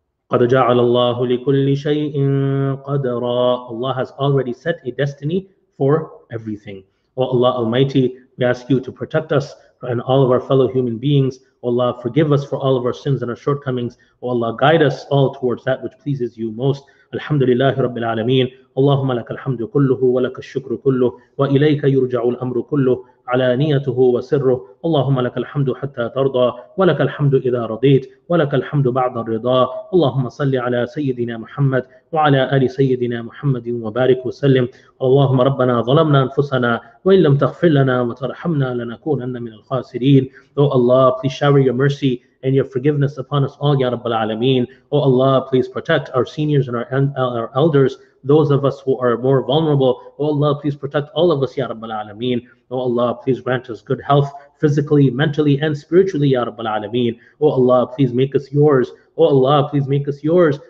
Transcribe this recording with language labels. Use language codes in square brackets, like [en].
[ar] قَدْ جَعَلَ اللَّهُ لِكُلِّ شَيْءٍ قَدْرًا. [en] Allah has already set a destiny for everything. O Allah Almighty, we ask You to protect us and all of our fellow human beings. O Allah, forgive us for all of our sins and our shortcomings. O Allah, guide us all towards that which pleases You most. [ar] Alhamdulillahi Rabbil Alameen. اللهم لك الحمد كله ولك الشكر كله وإليك يرجع الأمر كله على نيته وسره. اللهم لك الحمد حتى ترضى ولك الحمد إذا رضيت ولك الحمد بعد الرضا. اللهم صل على سيدنا محمد وعلى آل سيدنا محمد وبارك وسلم. اللهم ربنا ظلمنا أنفسنا وإن لم تغفر لنا وترحمنا لنكونن من الخاسرين. [en] Oh Allah, please shower Your mercy and Your forgiveness upon us all, [ar] Ya Rabbal Alameen. [en] Oh Allah, please protect our seniors and our elders, those of us who are more vulnerable. Oh Allah, please protect all of us, [ar] Ya Rabbal Alameen. [en] Oh Allah, please grant us good health, physically, mentally, and spiritually, Ya Rabbal Alameen. Oh Allah, please make us Yours. Oh Allah, please make us Yours.